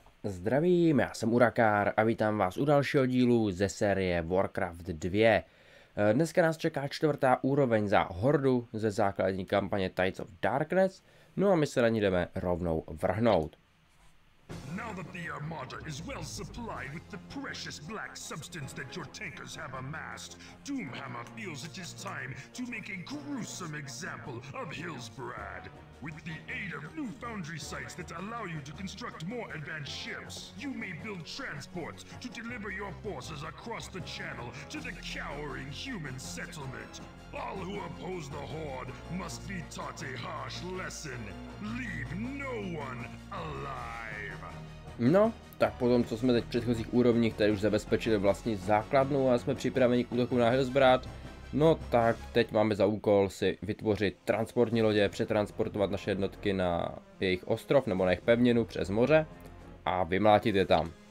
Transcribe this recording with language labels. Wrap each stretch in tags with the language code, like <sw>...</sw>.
<cs>Zdravím, já jsem Urakár a vítám vás u dalšího dílu ze série Warcraft 2. Dneska nás čeká čtvrtá úroveň za hordu ze základní kampaně Tides of Darkness, no a my se na ní jdeme rovnou vrhnout.</cs> <en>Now that the Armada is well supplied with the precious black substance that your tankers have amassed, Doomhammer feels it is time to make a gruesome example of Hillsbrad. With the aid of new foundry sites that allow you to construct more advanced ships, you may build transports to deliver your forces across the channel to the cowering human settlement. All who oppose the Horde must be taught a harsh lesson. Leave no one alive.</en> <cs>No, tak potom, co jsme teď v předchozích úrovních tady už zabezpečili vlastní základnu a jsme připraveni k útoku na Hillsbrad, no tak teď máme za úkol si vytvořit transportní lodě, přetransportovat naše jednotky na jejich ostrov nebo na jejich pevninu přes moře a vymlátit je tam.</cs>